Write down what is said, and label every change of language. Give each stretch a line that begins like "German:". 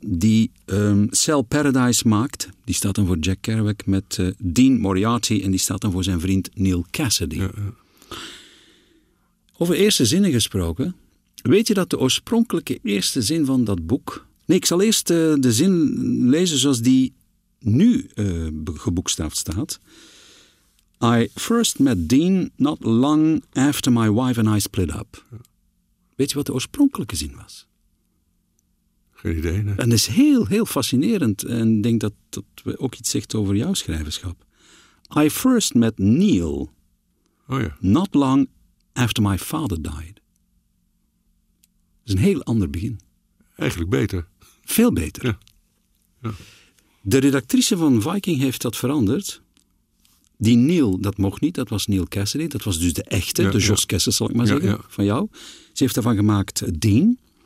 Dutch: Die Cell Paradise maakt. Die staat dan voor Jack Kerouac met Dean Moriarty. En die staat dan voor zijn vriend Neil Cassady. Ja. Over eerste zinnen gesproken. Weet je dat de oorspronkelijke eerste zin van dat boek... Nee, ik zal eerst de zin lezen zoals die nu geboekstaafd staat.
English: I first met Dean not long after my wife and I split up.
Dutch: Ja. Weet je wat de oorspronkelijke zin was? Geen idee, nee. En dat is heel, heel fascinerend. En ik denk dat ook iets zegt over jouw schrijverschap.
English: I first met Neil not long after my father died.
Dutch: Dat is een heel ander begin. Eigenlijk beter. Veel beter. Ja. De redactrice van Viking heeft dat veranderd. Die Neil, dat mocht niet, dat was Neil Cassady. Dat was dus de echte, de Jos Kessels, zal ik maar zeggen, van jou. Ze heeft daarvan gemaakt Dean.